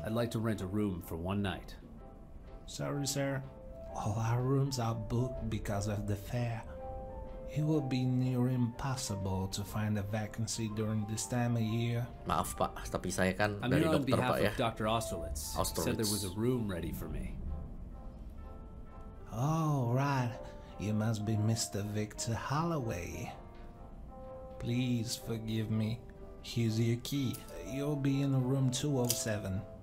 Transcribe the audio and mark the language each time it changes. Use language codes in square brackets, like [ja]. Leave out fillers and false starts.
[en] I'd like to rent a room for one night. Sorry, sir. All our rooms are booked because of the fair. It will be near impossible to find a vacancy during this time of year. [id] Maaf, Pak, tapi saya kan dari dokter, Pak, ya. [en] I'm here on behalf of Dr. Austerlitz. Said there was a room ready for me. Oh, right. You must be Mr. Victor Holloway. Please forgive me. Here's your key. You'll be in room 207.